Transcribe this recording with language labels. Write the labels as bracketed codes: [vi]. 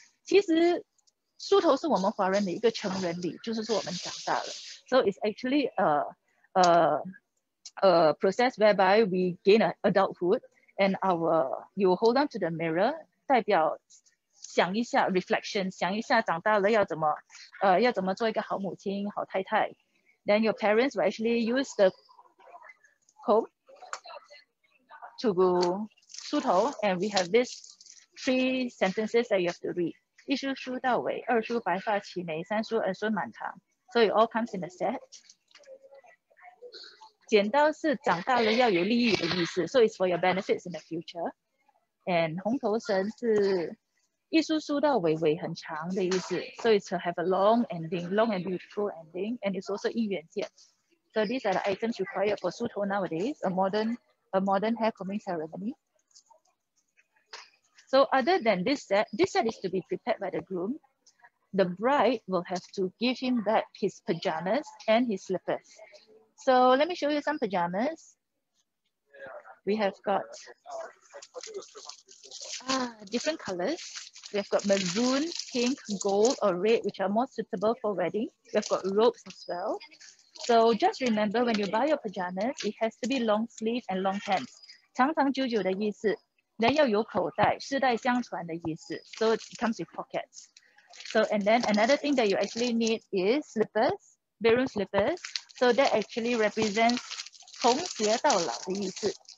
[zh] 其实梳头是我们华人的一个成人礼，就是说我们长大了。 [en] So it's actually a process whereby we gain an adulthood and you hold on to the mirror, [zh] 代表想一下 [en] reflection, [zh] 想一下长大了要怎么做一个好母亲、好太太。 [en] Then your parents will actually use the comb to go 梳头, and we have this three sentences that you have to read. [zh] 一梳梳到尾, 二梳白发齐眉, 三梳儿孙满堂。 [en] So it all comes in a set. [zh] 剪刀是长大了要有利益的意思, [en] so it's for your benefits in the future. And [zh] 红头绳是 一梳梳到尾尾很长的意思, [en] so it's to have a long ending, long and beautiful ending, and it's also 姻缘线. So these are the items required for 梳头 nowadays, a modern hair combing ceremony. So other than this set is to be prepared by the groom. The bride will have to give him back his pajamas and his slippers. So let me show you some pajamas. We have got different colors. We have got maroon, pink, gold, or red, which are more suitable for wedding. We have got robes as well. So just remember, when you buy your pajamas, it has to be long sleeve and long pants. [zh] 长长久久的意思, 人要有口袋, 世代相传的意思. [en] So it comes with pockets. So and then another thing that you actually need is slippers, maroon slippers. So that actually represents [zh] 从鞋到老的意思.